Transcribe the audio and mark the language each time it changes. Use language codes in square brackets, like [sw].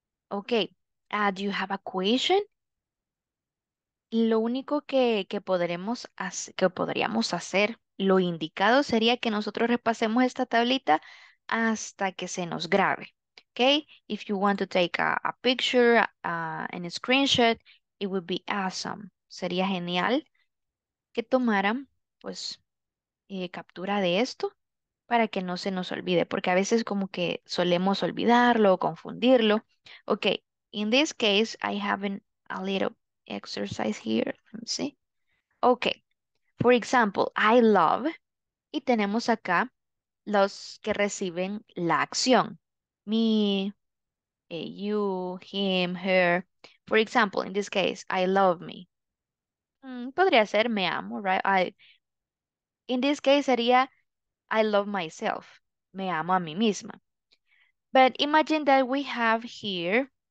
[en] Okay. Do you have a question? [es] Lo único que podríamos hacer, lo indicado sería que nosotros repasemos esta tablita hasta que se nos grabe. [en] Okay? If you want to take a picture, an screenshot, it would be awesome. [es] Sería genial que tomaran, pues, captura de esto para que no se nos olvide, porque a veces como que solemos olvidarlo o confundirlo. [en] Okay. In this case, I have a little exercise here. Let me see. Okay. For example, I love. [es] Y tenemos acá los que reciben la acción. [en] Me, you, him, her. For example, in this case, I love me. [es] Podría ser me amo, [en] right? In this case, sería I love myself. [es] Me amo a mí misma. [en] But imagine that we have here.